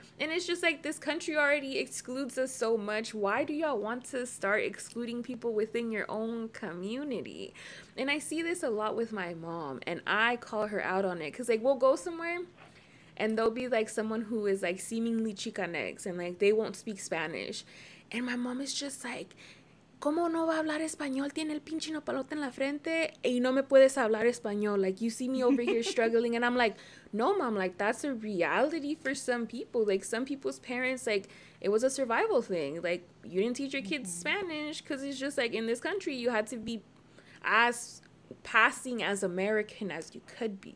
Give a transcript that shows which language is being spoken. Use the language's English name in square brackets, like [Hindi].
[English] And it's just like, this country already excludes us so much. Why do y'all want to start excluding people within your own community? And I see this a lot with my mom, and I call her out on it. Because, like, we'll go somewhere, and there'll be, like, someone who is, like, seemingly Chicanx, and, like, they won't speak Spanish. And my mom is just like, [Spanish] ¿cómo no va a hablar español? Tiene el pinche nopalote en la frente. Y no me puedes hablar español. [English] Like, you see me over here struggling. And I'm like, no, mom. Like, that's a reality for some people. Like, some people's parents, like, it was a survival thing. Like, you didn't teach your kids Spanish. Because it's just, like, in this country, you had to be as passing as American as you could be.